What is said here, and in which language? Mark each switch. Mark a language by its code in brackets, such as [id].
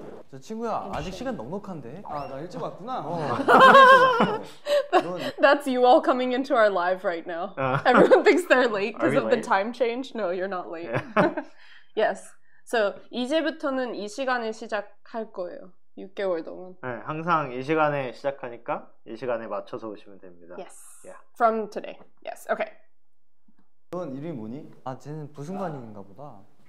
[ko] 저 친구야, 아직 시간 넉넉한데. 아, 나 일찍 왔구나. 어. [en] That's you all coming into our live right now. Everyone thinks they're late because of the time change. No, you're not late. Yes. [ko] So, 이제부터는 이 시간에 시작할 거예요. 6개월 동안. 네, 항상 이 시간에 시작하니까 이 시간에 맞춰서 오시면 됩니다. [en] Yes. Yeah. From today. Yes. Okay. [ko] 넌 이름이 뭐니? 아, 쟤는 부승관인가 보다.